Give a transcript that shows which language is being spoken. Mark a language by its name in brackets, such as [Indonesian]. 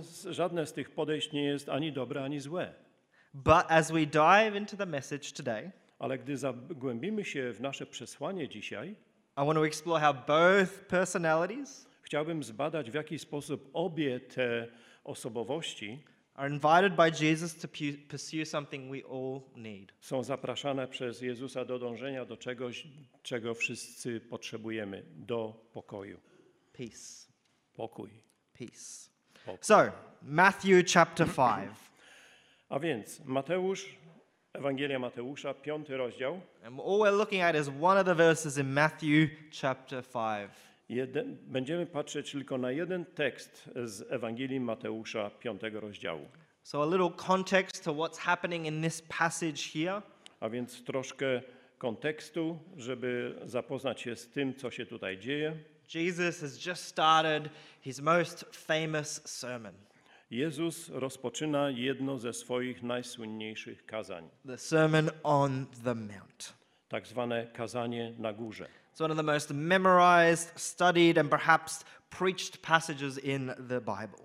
[Polish] Żadne z tych podejść nie jest ani dobre, ani złe. [English] But as we dive into the message today, [Polish] ale gdy zagłębimy się w nasze przesłanie dzisiaj, [English] I want to explore how both personalities, [Polish] chciałbym zbadać, w jaki sposób obie te osobowości [English] are invited by Jesus to pursue something we all need. [Polish] Są zapraszane przez Jezusa do dążenia do czegoś, czego wszyscy potrzebujemy, do pokoju. [English] Peace. [Polish] Pokój. [English] Peace. Pokój. So, Matthew chapter 5. [Polish] A więc Mateusz, Ewangelia Mateusza, 5 rozdział. [English] And all we're looking at is one of the verses in Matthew chapter 5. [Polish] Będziemy patrzeć tylko na jeden tekst z Ewangelii Mateusza, 5 rozdziału. [English] So a little context to what's happening in this passage here. [Polish] A więc troszkę kontekstu, żeby zapoznać się z tym, co się tutaj dzieje. [English] Jesus has just started his most famous sermon. [Polish] Jezus rozpoczyna jedno ze swoich najsłynniejszych kazań. [English] The Sermon on the Mount. [Polish] Tak zwane kazanie na górze. [English] It's one of the most memorized, studied and perhaps preached passages in the Bible.